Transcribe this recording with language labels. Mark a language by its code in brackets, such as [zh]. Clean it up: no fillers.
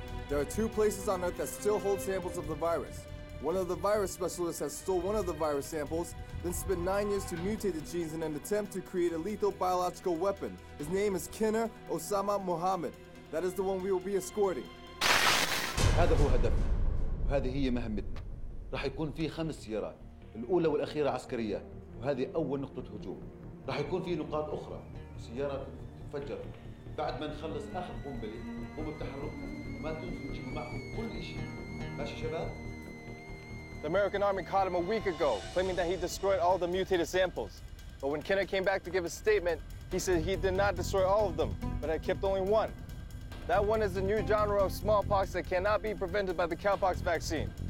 [en] There are two places on Earth that still hold samples of the virus. One of the virus specialists has stole one of the virus samples. Then spent 9 years to mutate the genes in an attempt to create a lethal biological weapon. His name is Kinner Osama Muhammad. That is the one we will be escorting. [ar] هذا هو هدفنا وهذه هي مهمتنا. راح يكون في 5 سيارات. الأولى والأخيرة عسكرية وهذه أول نقطة هجوم. راح يكون في نقاط أخرى. سيارة تفجر. بعد ما نخلص آخر قنبلة قوم بتحرك وما تنسوا تجيبوا معكم كل إشي. ماشي شباب. [en] The American army caught him a week ago, claiming that he destroyed all the mutated samples. But when Kenneth came back to give a statement, he said he did not destroy all of them, but had kept only one. That one is the new genre of smallpox that cannot be prevented by the cowpox vaccine.